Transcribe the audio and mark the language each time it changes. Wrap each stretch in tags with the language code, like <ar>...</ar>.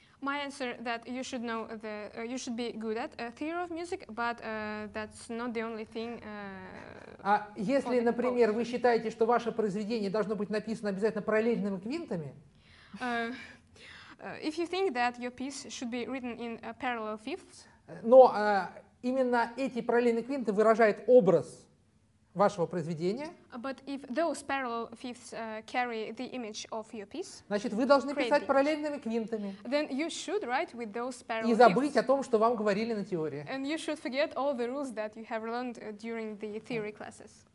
<en>My answer that you should know the you should be good at theory of music, but that's not the only thing.</en> <ru>А если, например, вы считаете, что ваше произведение должно быть написано обязательно параллельными квинтами?</ru> <en>If you think that your piece should be written in parallel fifths.</en> <ru>Но именно эти параллельные квинты выражают образ вашего произведения.</ru> <en>But if those parallel fifths carry the image of your piece,</en> <ru>значит, вы должны писать параллельными квинтами.</ru> <en>Then you should write with those parallel</en> <ru>fifths. И забыть о том, что вам говорили на теории.</ru> <en>And you should forget all the rules that you have learned during the theory classes.</en>